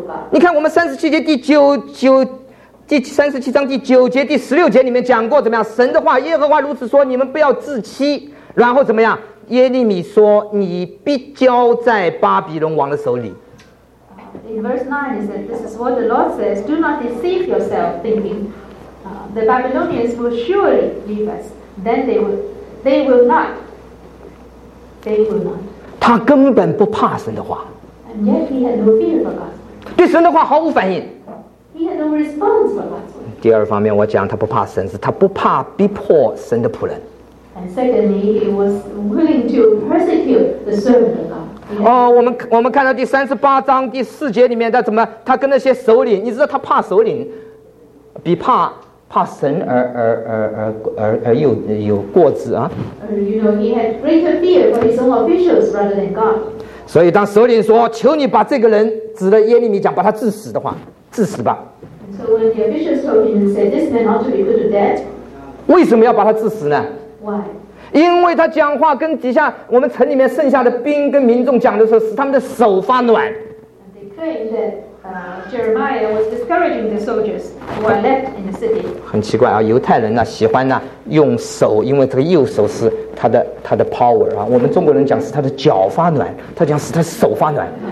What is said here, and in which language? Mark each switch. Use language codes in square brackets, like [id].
[zh] 你看我们第三十七章第九节第十六节里面讲过怎么样？神的话，耶和华如此说：你们不要自欺。然后怎么样？耶利米说：“你必交在巴比伦王的手里。” [en] In verse 9, it says, "This is what the Lord says: Do not deceive yourself, thinking the Babylonians will surely leave us. Then they will not. [zh] 他根本不怕神的话。 [en] And yet he had no fear for God. [zh] 对神的话毫无反应。 [en] He had no response for God's word. [zh] 第二方面，我讲他不怕神，是他不怕逼迫神的仆人。 [en] And secondly, he was willing to persecute the servant of God. [zh] 我们看到第三十八章第四节里面，他怎么？他跟那些首领，你知道他怕首领，比怕神而有过之啊。 [en] You know, he had greater fear for his own officials rather than God. [zh] 所以当首领说：“求你把这个人，指着耶利米讲，把他致死的话，致死吧。 [en] ”So when the officials told him and said, "This man ought to be put to death." [zh] 为什么要把他致死呢？ [en] Why? [zh] 因为他讲话跟底下我们城里面剩下的兵跟民众讲的时候，使他们的手发暖。 [en] They claimed that Jeremiah was discouraging the soldiers who are left in the city. [zh] 很奇怪啊，犹太人呢、啊、喜欢呢、啊、用手，因为这个右手是他的 power 啊。我们中国人讲是他的脚发暖，他讲是他手发暖。